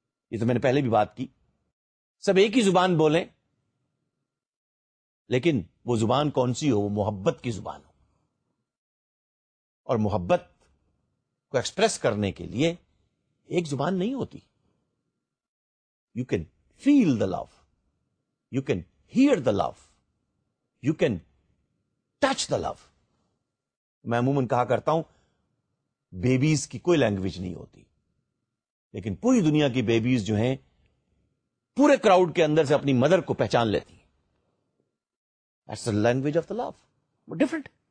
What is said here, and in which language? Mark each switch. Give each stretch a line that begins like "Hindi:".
Urdu: یہ تو میں نے پہلے بھی بات کی, سب ایک ہی زبان بولیں, لیکن وہ زبان کون سی ہو, وہ محبت کی زبان ہو. اور محبت کو ایکسپریس کرنے کے لیے ایک زبان نہیں ہوتی.
English: You can feel the love, you can hear the love, you can touch the love.
Urdu: میں عموماً کہا کرتا ہوں بیبیز کی کوئی لینگویج نہیں ہوتی, لیکن پوری دنیا کی بیبیز جو ہیں پورے کراؤڈ کے اندر سے اپنی مدر کو پہچان لیتی.
English: That's the language of the love. But different.